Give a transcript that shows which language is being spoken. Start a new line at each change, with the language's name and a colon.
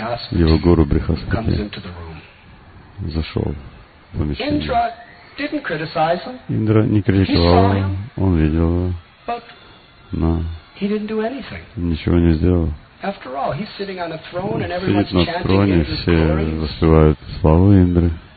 Russian: его гуру Брихаспати зашел в помещение.
English: Indra didn't criticize him.
Russian: Индра не критиковал его. Он видел его.
English: But no. He didn't do anything.
Russian: Ничего не сделал.
English: After all, he's sitting on a throne, and everyone's
Russian: сидит на троне, все воспевают славу Индры.